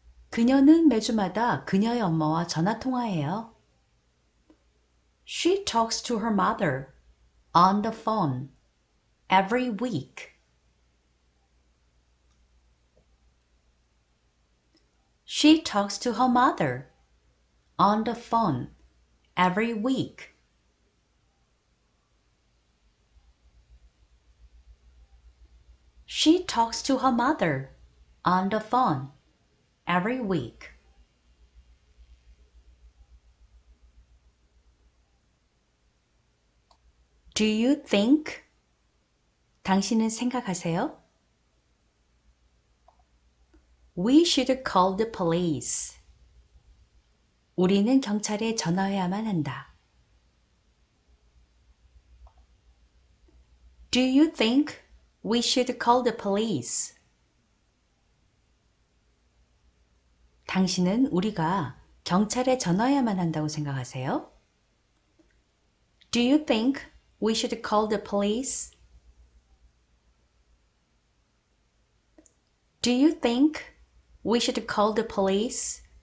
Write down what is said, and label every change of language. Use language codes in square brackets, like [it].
[ko] 그녀는 매주마다 그녀의 엄마와 전화 통화해요. [en] She talks to her mother on the phone every week. She talks to her mother On the phone every week. She talks to her mother on the phone every week. Do you think? [ko] 당신은 생각하세요? [en] We should call the police. [ko] 우리는 경찰에 전화해야만 한다. [en] Do you think we should call the police? [ko] 당신은 우리가 경찰에 전화해야만 한다고 생각하세요? [en] Do you think we should call the police? Do you think we should call the police?